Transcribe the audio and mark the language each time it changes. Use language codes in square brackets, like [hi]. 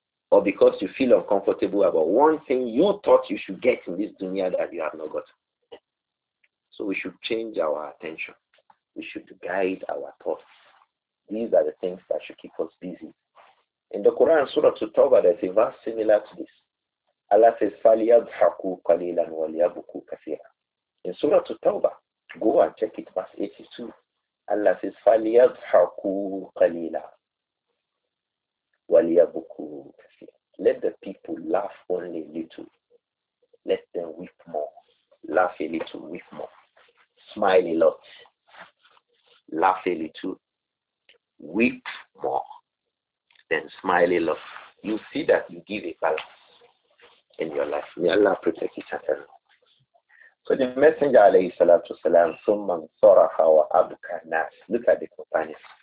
[en] Or because you feel uncomfortable about one thing you thought you should get in this dunya that you have not got? So we should change our attention. We should guide our thoughts. These are the things that should keep us busy. In the Quran, Surah At-Tawbah, there's a verse similar to this. Allah says, [ar] فَلْيَضْحَكُوا قَلِيلًا وَلْيَبُكُوا كَثِيرًا. [en] In Surah At-Tawbah, go and check it, verse 82. Allah says, [ar] فَلْيَضْحَكُوا قَلِيلًا وَلْيَبُكُوا كَثِيرًا. [en] Let laugh only a little. Let them weep more. Laugh a little, weep more. Smile a lot. Laugh a little, weep more. Then smile a lot. You see that you give a balance in your life. May Allah protect each other. So the Messenger, alayhi salatu salam, summan saraha wa abka nas. Look at the companions.